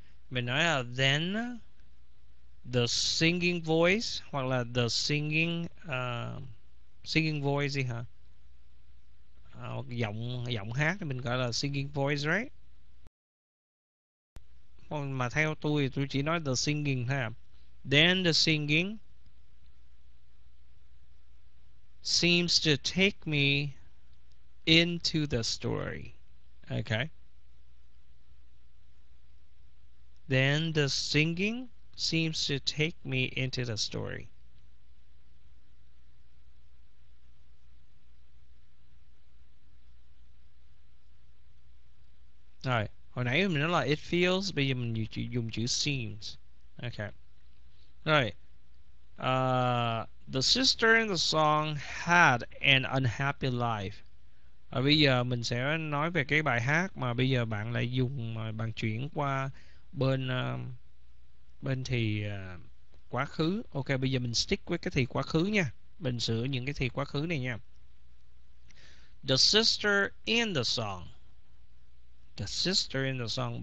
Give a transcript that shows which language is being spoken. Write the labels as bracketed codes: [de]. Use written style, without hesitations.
[vi] Mình nói là [en] then the singing voice [vi] hoặc là [en] the singing voice [vi] gì hả? Giọng giọng hát thì mình gọi là singing voice, right? Mà theo tôi chỉ nói the singing thôi. [en] Then the singing seems to take me into the story. Okay. Then the singing seems to take me into the story. [vi] Rồi, hồi nãy mình nói là [en] it feels, [vi] bây giờ mình dùng chữ seems. [en] Okay. Rồi. The sister in the song had an unhappy life. [vi] Và bây giờ mình sẽ nói về cái bài hát mà bây giờ bạn lại dùng mà bạn chuyển qua bên bên thì quá khứ. Ok, bây giờ mình stick với cái thì quá khứ nha. Mình sửa những cái thì quá khứ này nha. [en] The sister in the song. The sister in the song.